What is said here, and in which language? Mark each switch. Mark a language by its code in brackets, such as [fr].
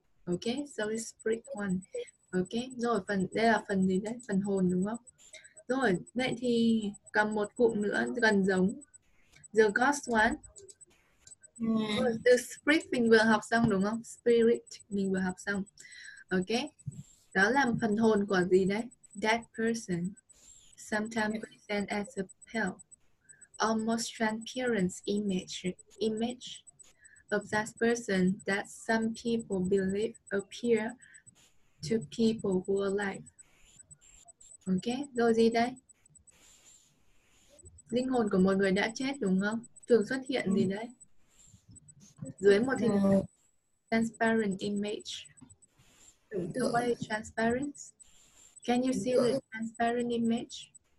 [en] Okay, so it's spirit one. [vi] Okay, rồi phần, đây là phần gì đấy? Phần hồn đúng không? Rồi, vậy thì cầm một cụm nữa gần giống. [en] The ghost one. [vi] Từ spirit mình vừa học xong đúng không? Spirit mình vừa học xong. Ok. Đó là phần hồn của gì đấy? [en] Dead person. Sometimes present as a pale, almost transparent image of that person that some people believe appear to people who are alive. [vi] Ok, rồi gì đây? Linh hồn của một người đã chết đúng không? Thường xuất hiện gì đấy? Dưới một hình transparent image. [en] What is transparent? Can you see the transparent image?